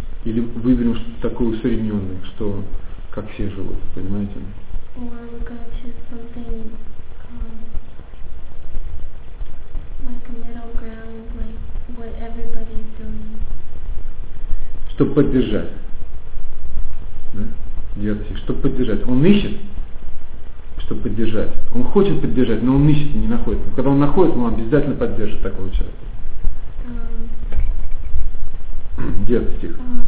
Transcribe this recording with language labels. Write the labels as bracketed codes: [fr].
[ru] Или выберем что-то такое усредненное, что как все живут, понимаете? [en] Or we gonna choose something like a middle ground, like what everybody is doing. [ru] Чтобы поддержать. Девятый, чтобы поддержать. Он ищет, чтобы поддержать. Он хочет поддержать, но он ищет и не находит. Но когда он находит, он обязательно поддержит такого человека. Девятый стих.